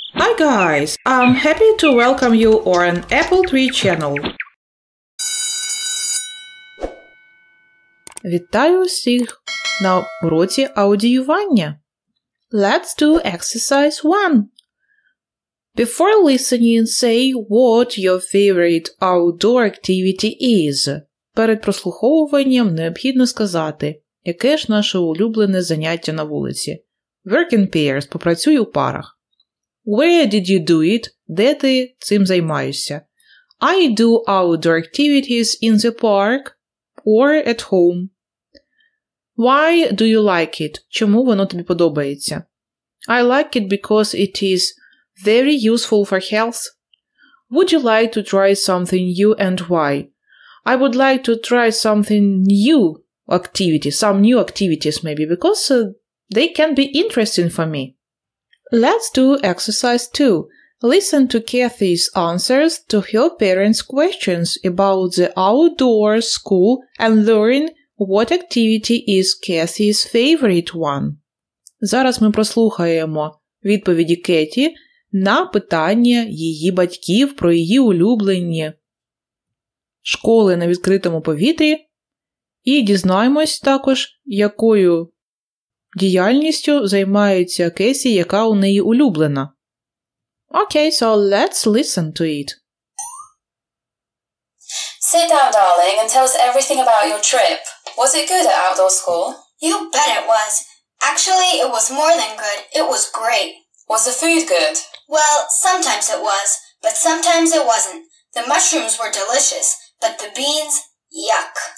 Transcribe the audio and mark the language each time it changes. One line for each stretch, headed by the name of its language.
English: Hi guys, I'm happy to welcome you on an Apple Tree channel.
Ukrainian: Вітаю усіх на уроці аудіювання.
English: Let's do exercise 1. Before listening, say what your favorite outdoor activity is.
Ukrainian: Перед прослуховуванням необхідно сказати, яке ж наше улюблене заняття на вулиці.
English: Work in pairs,
Ukrainian: попрацюй у парах.
English: Where did you do it?
Ukrainian: Де ти цим займаєшся?
English: I do outdoor activities in the park or at home. Why do you like it?
Ukrainian: Чому воно тобі подобається?
English: I like it because it is very useful for health. Would you like to try something new and why? I would like to try something new activity, some new activities maybe, because they can be interesting for me. Let's do exercise 2. Listen to Kathy's answers to her parents' questions about the outdoor school and learn what activity is Kathy's favorite one.
Ukrainian: Зараз ми прослухаємо відповіді Кеті на питання її батьків про її улюблені школи на відкритому повітрі і дізнаємось також, якою діяльністю займається Кесі, яка у неї улюблена.
English: Okay, so let's listen to it. Sit down, darling, and tell us everything about your trip. Was it good at outdoor school? You bet it was. Actually, it was more than good. It was great. Was the food good? Well, sometimes it was, but sometimes it wasn't. The mushrooms were delicious, but the beans, yuck.